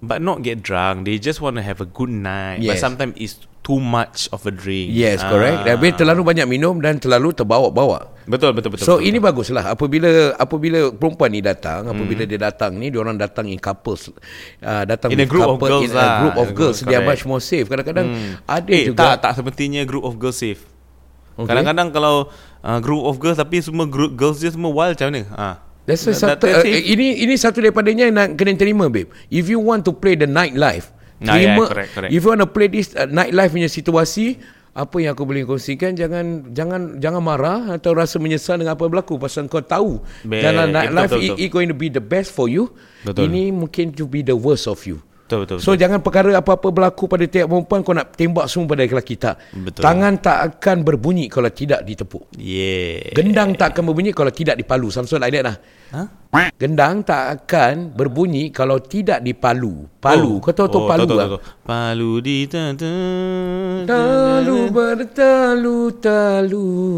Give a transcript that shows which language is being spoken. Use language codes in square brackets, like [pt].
[en] But not get drunk, they just want to have a good night. Yes. But sometimes it's too much of a drink. Yes, correct. [ms] Tapi terlalu banyak minum dan terlalu terbawa-bawa. Betul. [en] So [ms] ini baguslah apabila perempuan ni datang, apabila dia datang ni, diorang datang [en] in couples, [ms] datang [en] in a group couple, of girls, in a group of girls, they are much more safe. [ms] Kadang-kadang ada juga. Tak sepertinya [en] group of girls safe. [ms] Okay. Kadang-kadang kalau group of girls tapi semua group girls dia semua wild, macam mana? Ini satu daripadanya nak kena terima, babe. [en] If you want to play the nightlife, correct. If you want to play this nightlife [ms] punya situasi, apa yang aku boleh kongsikan, jangan marah atau rasa menyesal dengan apa yang berlaku, pasal kau tahu dalam nightlife [en] it going to be the best for you. [ms] Betul. Ini mungkin [en] to be the worst of you. [ms] Betul. So jangan perkara apa-apa berlaku pada tiap perempuan kau nak tembak semua pada lelaki, tak. Betul. Tangan tak akan berbunyi kalau tidak ditepuk. [en] Yeah. [ms] Gendang tak akan berbunyi kalau tidak dipalu. [en] Something like that [ms] lah. Ha? Gendang tak akan berbunyi kalau tidak dipalu. Palu. Kau tahu palu tak? Palu di talu bertalu-talu.